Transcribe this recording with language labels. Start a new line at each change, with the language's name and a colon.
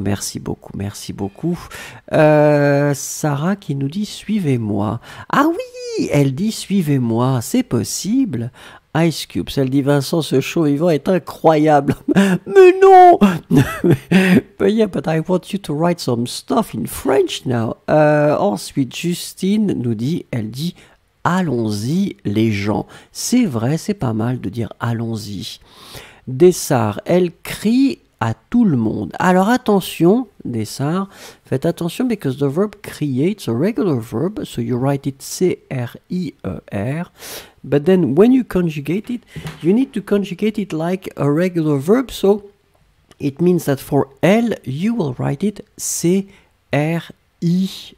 French: Merci beaucoup. Sarah qui nous dit, suivez-moi. Ah oui, elle dit, suivez-moi, c'est possible. Ice Cube, elle dit, Vincent, ce show vivant est incroyable. Mais non.
English: But yeah, but I want you to write some stuff in French now.
French: Ensuite, Justine nous dit, elle dit, allons-y les gens. C'est vrai, c'est pas mal de dire allons-y. Dessart, elle crie à tout le monde. Alors attention, Dessart, faites attention,
English: because the verb crier, it's a regular verb, so you write it C-R-I-E-R. But then when you conjugate it, you need to conjugate it like a regular verb. So it means that for elle, you will write it C-R-I-E.